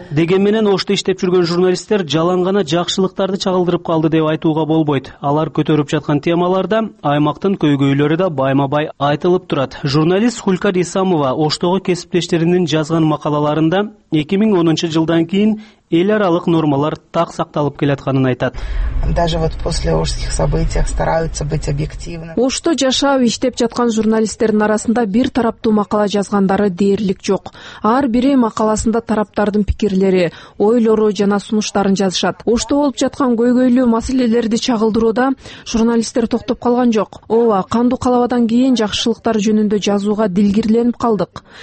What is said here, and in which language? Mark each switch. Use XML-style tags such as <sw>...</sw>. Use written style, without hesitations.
<ky>Деген менен Ошто иштеп жүргөн журналисттер жалаң гана жакшылыктарды чагылдырып калды деп айтууга болбойт. Алар көтөрүп жаткан темаларда аймактын көйгөйлөрү да байма-бай айтылып турат. Журналист Хулька Исамова Оштогу кесиптештеринин жазган макалаларында 2010 жылдан кийин эл аралык нормалар так сакталып келатканын айтат.</ky> <ru>Даже вот после ошских событий стараются быть объективны.</ru> <ky>Ошто жашап иштеп жаткан журналисттердин арасында бир тараптуу макала жазгандары дээрлик жок. Ар бири макаласында тараптардын пикирлери, ойлору жана сунуштарын жазышат. Ошто болуп жаткан көйгөйлүү маселелерди чагылдырууда журналисттер токтоп калган жок. Ооба, кандуу калабадан кийин жакшылыктар жөнүндө жазууга дилгирленип калдык.</ky>